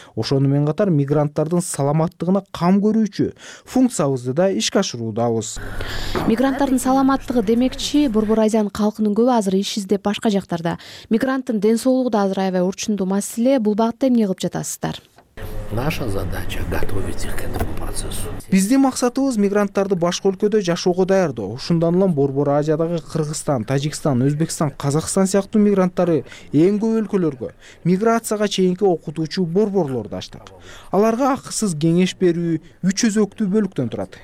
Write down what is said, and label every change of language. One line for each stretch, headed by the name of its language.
Kyrgyz: Ошону менен катар мигранттардын саламаттыгына кам көрүүчү функциябызды да ишке ашыруудабыз. Мигранттардын саламаттыгы демекчи, Борбор Азиянын калкынын көбү азыр иш издеп башка жактарда. Мигранттын ден соолугу да азыр аябай орчундуу маселе. Бул багытта эмне кылып жатасыздар?
Russian: Наша задача готовить их к этому процессу.
Kyrgyz: Биздин максатыбыз мигранттарды башка өлкөдө жашоого даярдоо. Ошондон улам Борбор Азиядагы Кыргызстан, Тажикстан, Өзбекстан, Казакстан сыяктуу мигранттары эң көп өлкөлөргө миграцияга чейинки окутуучу борборлорду ачтык. Аларга акысыз кеңеш берүү үч өзөктүү бөлүктөн турат.